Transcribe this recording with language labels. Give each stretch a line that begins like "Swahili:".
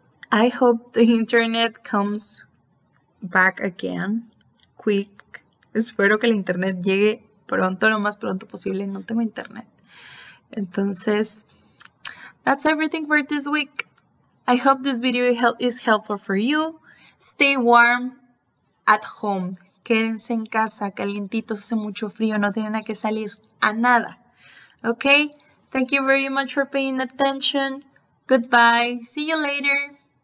English: I hope the internet comes back again, quick.
Spanish: Espero que el internet llegue pronto, lo más pronto posible.
English: No tengo internet. Entonces, that's everything for this week. I hope this video is helpful for you. Stay warm at home.
Spanish: Quédense en casa, calientitos, hace mucho frío, no tienen a qué salir a nada.
English: Okay? Thank you very much for paying attention. Goodbye. See you later.